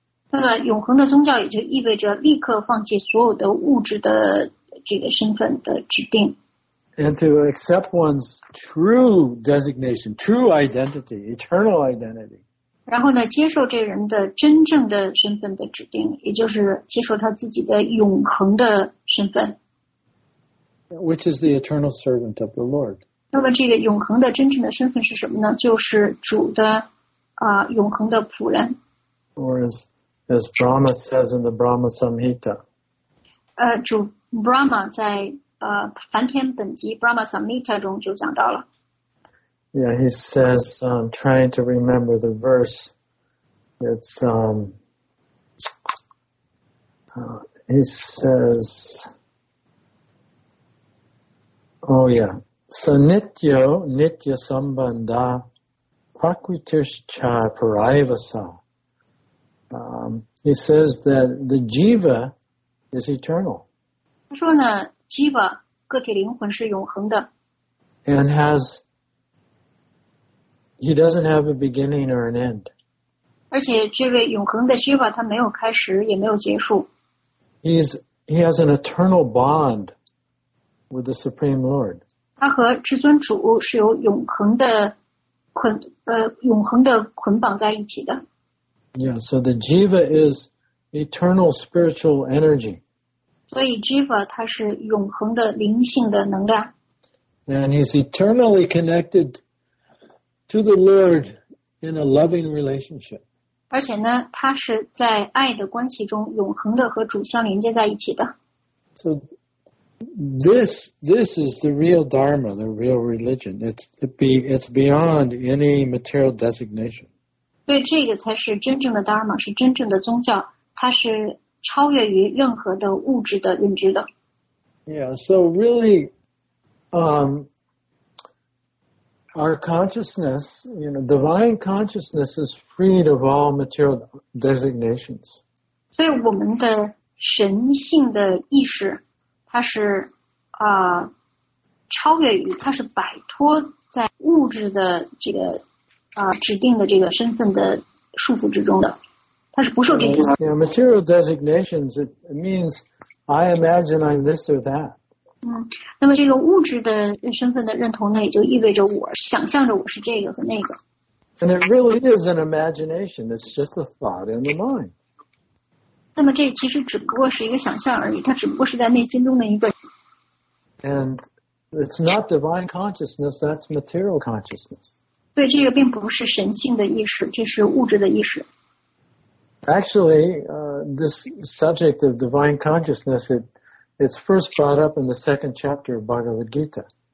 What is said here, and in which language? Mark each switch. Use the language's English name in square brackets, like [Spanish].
[Chinese] 那么永恒的宗教也就意味着立刻放弃所有的物质的这个身份的指定。 [English] And to accept one's true designation, true identity, eternal identity. [Chinese] 然后呢，接受这人的真正的身份的指定，也就是接受他自己的永恒的身份。 [English] Which is the eternal servant of the Lord. [Chinese] 那么这个永恒的真正的身份是什么呢？就是主的永恒的仆人。 [English] Or as Brahma says in the Brahma Samhita. [Chinese] 主 Brahma 在梵天本集 Brahma Samhita 中就讲到了。 [English] Yeah, he says, I'm trying to remember the verse. It's, he says, oh yeah, [Sanskrit] Sanityo Nitya Sambandha Prakritischa Paraivasa. [English] He says that the Jiva is eternal. [Chinese] 他说呢Jiva, 个体灵魂是永恒的。 [English] And he doesn't have a beginning or an end. [Chinese] 而且这位永恒的 Jiva, 他没有开始也没有结束。 [English] He has an eternal bond with the Supreme Lord. [Chinese] 他和至尊主是有永恒的捆绑在一起的。 [English] Yeah, so the Jiva is eternal spiritual energy. [Chinese] 所以 Jiva 它是永恒的灵性的能量。 [English] And he's eternally connected to the Lord in a loving relationship. [Chinese] 而且呢，他是在爱的关系中永恒的和主相连接在一起的。 [English] So this is the real Dharma, the real religion. It's beyond any material designation. [Chinese] 对，这个才是真正的 Dharma, 是真正的宗教，它是超越于任何的物质的认知的。 [English] Yeah, so really, our consciousness, you know, divine consciousness is freed of all material designations. [Chinese] 所以我们的神性的意识，它是超越于，它是摆脱在物质的这个指定的这个身份的束缚之中的。 [English] Yeah, material designations, it means I imagine I'm this or that. [Chinese] 那么这个物质的身份的认同呢，也就意味着我想象着我是这个和那个。 [English] And it really is an imagination. It's just a thought in the mind. [Chinese] 那么这其实只不过是一个想象而已，它只不过是在内心中的一个。 [English] And it's not divine consciousness, that's material consciousness. [Chinese] 对，这个并不是神性的意识，这是物质的意识。 [English] Actually, this subject of divine consciousness, it's first brought up in the second chapter of Bhagavad Gita.